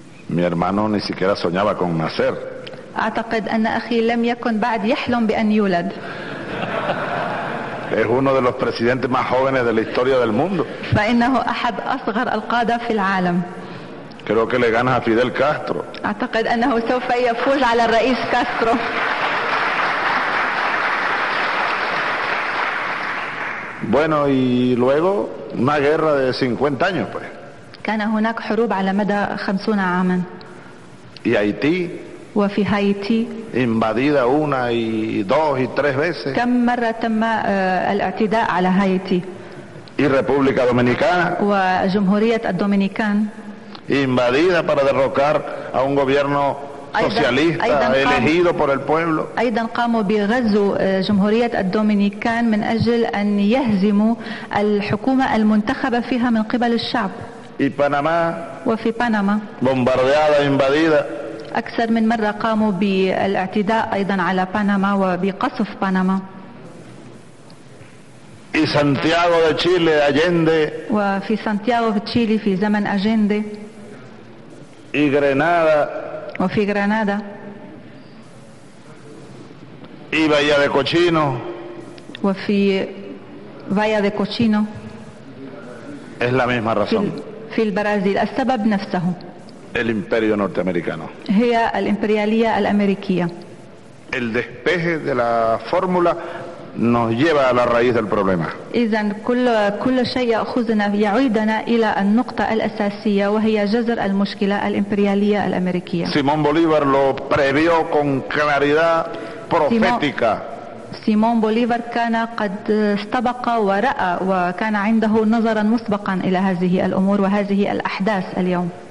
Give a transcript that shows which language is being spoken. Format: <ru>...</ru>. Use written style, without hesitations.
<es>Mi hermano ni siquiera soñaba con nacer.</es> <ar>أعتقد أن أخي لم يكن بعد يحلم بأن يولد.</ar> <es>Es uno de los presidentes más jóvenes de la historia del mundo.</es> <ar>فإنه أحد أصغر القادة في العالم.</ar> <es>Creo que le gana a Fidel Castro.</es> <ar>أعتقد أنه سوف يفوز على الرئيس كاسترو.</ar> <es>Bueno, y luego una guerra de 50 años, pues.</es> <ar>كان هناك حروب على مدى 50 عاما.</ar> <es>Y Haití.</es> <ar>وفي هايتي.</ar> <es>Invadida una y dos y tres veces.</es> <ar>كم مرة تم الاعتداء على هايتي؟</ar> <es>Y República Dominicana.</es> <ar>وجمهورية الدومينيكان.</ar> <es>Invadida para derrocar a un gobierno socialista elegido por el pueblo.</es> <ar>أيضا قاموا بغزو جمهورية الدومينيكان من أجل أن يهزموا الحكومة المنتخبة فيها من قبل الشعب.</ar> <es>Y Panamá.</es> <ar>وفي بنما.</ar> <es>Bombardeada, invadida.</es> <ar>أكثر من مرة قاموا بالاعتداء أيضا على بنما وبقصف بنما.</ar> <es>Y Santiago de Chile, Allende.</es> <ar>وفي سانتياغو في تشيلي في زمن أجندي.</ar> <es>Y Grenada.</es> <ar>وفي غرناطة.</ar> <es>Y Bahía de Cochino.</es> <ar>وفي Bahía de Cochino.</ar> <es>Es la misma razón.</es> <ar>في البرازيل السبب نفسه.</ar> <es>El imperio norteamericano.</es> <ar>هي الإمبريالية الأمريكية.</ar> <es>El despeje de la fórmula nos lleva a la raíz del problema.</es> <ar>إذن كل شيء يأخذنا يعيدنا إلى النقطة الأساسية وهي جذر المشكلة الإمبريالية الأمريكية.</ar> <es>Simón Bolívar lo previó con claridad profética.</es> <ar>سيمون بوليفر كان قد استبق ورأى وكان عنده نظرا مسبقا إلى هذه الأمور وهذه الأحداث اليوم.</ar>